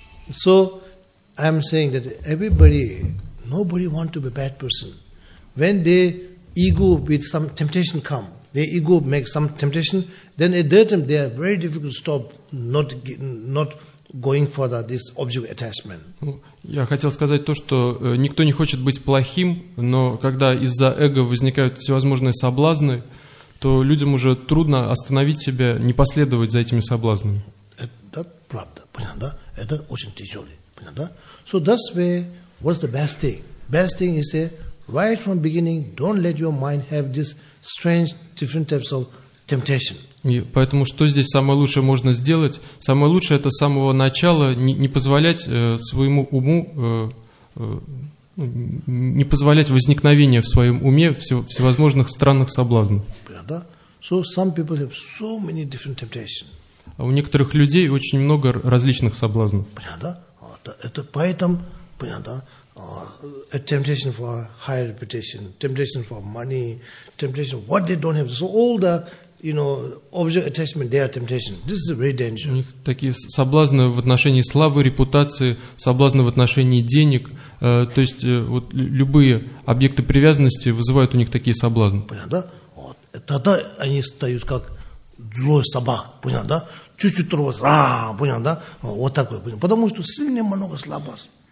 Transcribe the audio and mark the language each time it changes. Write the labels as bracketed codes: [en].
[en] So, I'm saying that everybody, nobody want to be bad person. When they ego with some temptation come, their ego make some temptation, then at that time they are very difficult to stop not going for that this object attachment. [ru] Я хотел сказать то, что никто не хочет быть плохим, но когда из-за эго возникают всевозможные соблазны, то людям уже трудно остановить себя, не последовать за этими соблазнами. Это правда, понятно, да? Это очень тяжело, понятно, да? [en] So that's where, what's the best thing? Best thing is say, right from beginning, don't let your mind have this strange, different types of temptation. [ru] И поэтому что здесь самое лучшее можно сделать? Самое лучшее – это с самого начала не позволять своему уму, не позволять возникновению в своем уме всевозможных странных соблазнов. [en] So some people have so many different temptations. [ru] А у некоторых людей очень много различных соблазнов. Понятно? Это поэтому, понятно, [en] a temptation for higher reputation, temptation for money, temptation what they don't have. So all the, you know, object attachment, they are temptation. This is very dangerous. [ru] У них такие соблазны в отношении славы, репутации, соблазны в отношении денег. То есть вот любые объекты привязанности вызывают у них такие соблазны. Понятно, да? Вот. Тогда они стают как злой собак, понятно, да? Чуть-чуть трогать, понятно, да? Вот такое, понятно. Потому что сильно много слабост.